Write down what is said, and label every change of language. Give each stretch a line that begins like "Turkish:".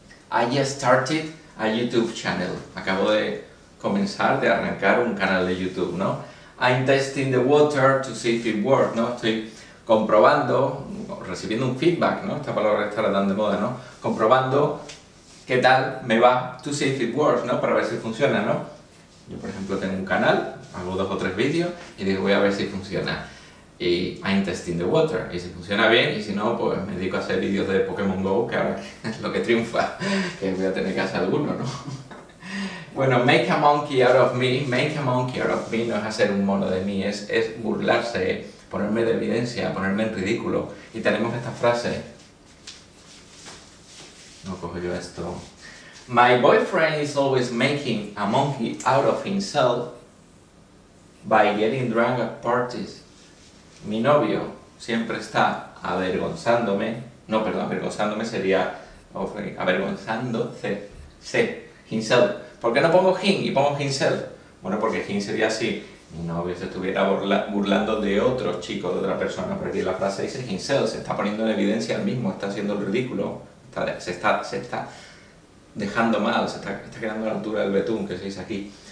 English: I just started a YouTube channel.
Spanish: Acabo de comenzar, de arrancar un canal de YouTube, ¿no?
English: I'm testing the water to see if it works, ¿no?
Spanish: Estoy comprobando, recibiendo un feedback, ¿no? Esta palabra estará tan de moda, ¿no? Comprobando qué tal me va,
English: to see if it works,
Spanish: ¿no? Para ver si funciona, ¿no? Yo, por ejemplo, tengo un canal, hago 2 o 3 vídeos y digo, voy a ver si funciona. Y
English: I'm testing the water.
Spanish: Y si funciona bien, y si no, pues me dedico a hacer vídeos de Pokémon Go, que ahora es lo que triunfa, que voy a tener que hacer alguno, ¿no?
English: Bueno, make a monkey out of me. Make a monkey out of me
Spanish: no es hacer un mono de mí, es burlarse, ponerme de evidencia, ponerme en ridículo. Y tenemos esta frase. No cojo yo esto.
English: My boyfriend is always making a monkey out of himself by getting drunk at parties.
Spanish: Mi novio siempre está avergonzándome. No, perdón, avergonzándome sería avergonzándose. Sí, himself. ¿Por qué no pongo him y pongo himself? Bueno, porque him sería así. Mi novio se estuviera burlando de otro chico, de otra persona, pero aquí la frase dice himself, se está poniendo en evidencia él mismo, está haciendo el ridículo, se está dejando mal, se está quedando a la altura del betún, que se dice aquí.